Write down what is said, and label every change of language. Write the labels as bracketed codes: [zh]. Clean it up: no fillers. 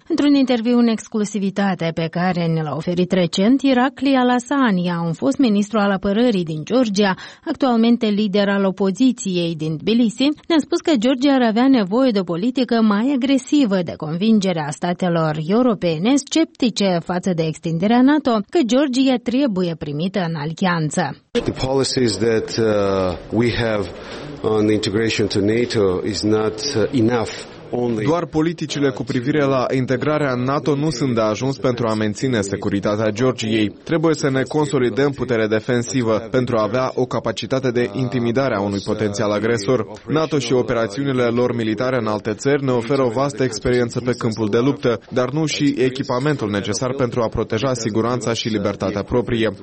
[ro] Într-un interviu în exclusivitate pe care ne l-a oferit recent, Irakli Alasania, un fost ministru al apărării din Georgia, actualmente lider al opoziției din Tbilisi, ne-a spus că Georgia ar avea nevoie de o politică mai agresivă de convingere puterea statelor europene sceptice față de extinderea NATO, că Georgia trebuie primită în alianță. [en] The policies that we have on integration to NATO is not enough. [ro] Doar politicile cu privire la integrarea în NATO nu sunt de ajuns pentru a menține securitatea Georgiei. Trebuie să ne consolidăm puterea defensivă pentru a avea o capacitate de intimidare a unui potențial agresor. NATO și operațiunile lor militare în alte țări ne oferă o vastă experiență pe câmpul de luptă, dar nu și echipamentul necesar pentru a proteja siguranța și libertatea proprie.